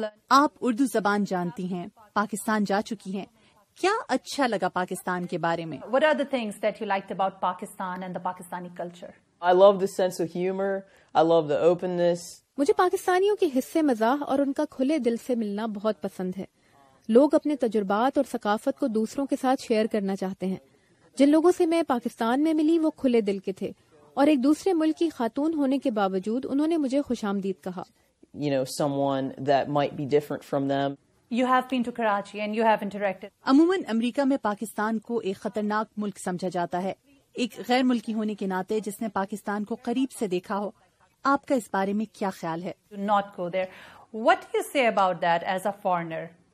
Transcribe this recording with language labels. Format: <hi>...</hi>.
<ur>آپ اردو زبان جانتی ہیں، پاکستان جا چکی ہیں، کیا اچھا لگا پاکستان کے بارے میں؟</ur> <en>What are the things that you liked about Pakistan and the Pakistani culture? I love the sense of humor. I love the openness.</en> <ur>مجھے پاکستانیوں کے حصے مزاح اور ان کا کھلے دل سے ملنا بہت پسند ہے۔ لوگ اپنے تجربات اور ثقافت کو دوسروں کے ساتھ شیئر کرنا چاہتے ہیں۔ جن لوگوں سے میں پاکستان میں ملی وہ کھلے دل کے تھے، اور ایک دوسرے ملک کی خاتون ہونے کے باوجود انہوں نے مجھے خوش آمدید کہا۔</ur> <en>You know, someone that might be different from them. You have been to Karachi and you have interacted.</en> <ur>عموماً امریکہ میں پاکستان کو ایک خطرناک ملک سمجھا جاتا ہے۔ ایک غیر ملکی ہونے کے ناطے جس نے پاکستان کو قریب سے دیکھا ہو، آپ کا اس بارے میں کیا خیال ہے؟</ur> <en>Do not go there. What do you say about that as a foreigner?</en>